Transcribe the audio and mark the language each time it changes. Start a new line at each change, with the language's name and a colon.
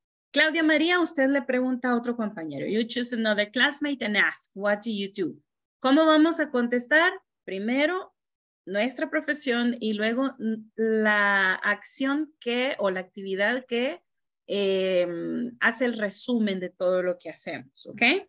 Spanish: Claudia María, usted le pregunta a otro compañero.
English: You choose another classmate and ask, what do you do?
Spanish: ¿Cómo vamos a contestar? Primero, nuestra profesión y luego la acción que o la actividad que hace el resumen de todo lo que hacemos, ¿ok?